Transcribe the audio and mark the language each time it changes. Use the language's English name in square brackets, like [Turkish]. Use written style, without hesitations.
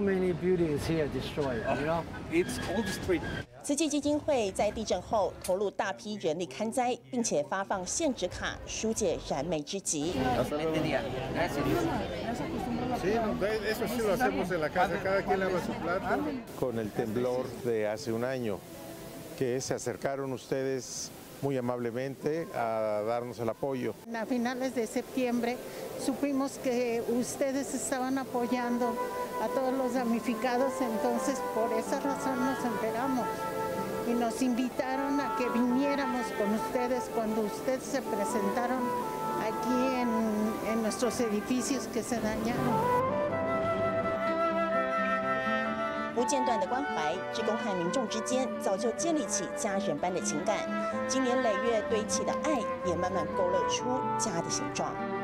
[English] many buildings here destroyed? You know, it's all the street. [Chinese] 慈济基金会在地震后投入大批人力看灾，并且发放现纸卡，疏解燃眉之急。 [Spanish] Con el temblor de hace un año, que se acercaron ustedes muy amablemente a darnos el apoyo. A finales de septiembre supimos que ustedes estaban apoyando a todos los damnificados, entonces por esa razón nos enteramos y nos invitaron a que viniéramos con ustedes cuando ustedes se presentaron aquí en nuestros edificios que se dañaron. [Chinese] 不间断的关怀，志工和民众之间早就建立起家人般的情感，经年累月堆砌的爱，也慢慢勾勒出家的形状。